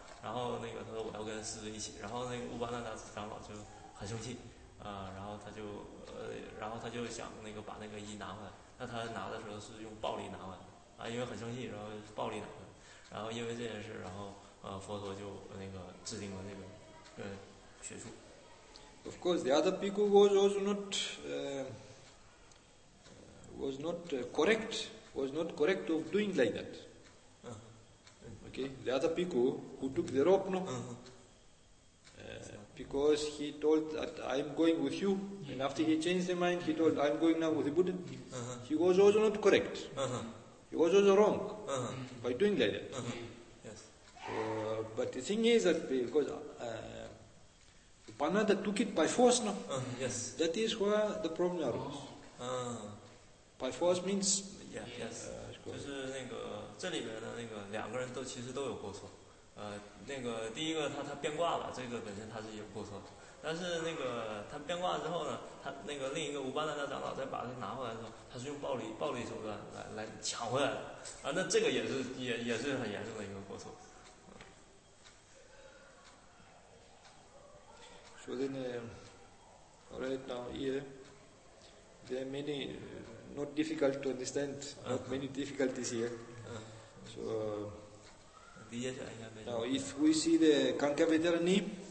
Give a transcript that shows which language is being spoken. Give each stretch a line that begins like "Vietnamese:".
Chinese: 然后那个他说我要跟世尊一起，然后那个乌巴那陀长老就很生气啊，然后他就想那个把那个衣拿回来，但他拿的时候是用暴力拿回来啊，因为很生气，然后暴力拿回来。然后因为这件事，然后佛陀就那个制定了那个学术。
English: Of course, the other bhikkhu was not correct of doing like that. Okay, the other bhikkhu who took the rope, no, because he told that I'm going with you, and after he changed his mind, he told I'm going now with the Buddha. He was also not correct. He was also wrong by doing like that. But the thing is that because Upananda took it by force, no? That is where the problem arose. By force means...
Chinese: Yeah, yes. 就是那个这里边的那个两个人都其实都有过错。那个第一个他变卦了，这个本身他是有过错。但是那个他变卦之后呢，他那个另一个乌巴那陀长老再把他拿回来的时候，他是用暴力手段来抢回来的啊，那这个也是很严重的一个过错。
English: So then, right now here, there are many not difficult to understand, not many difficulties here. So now, if we see the Kankavedarani.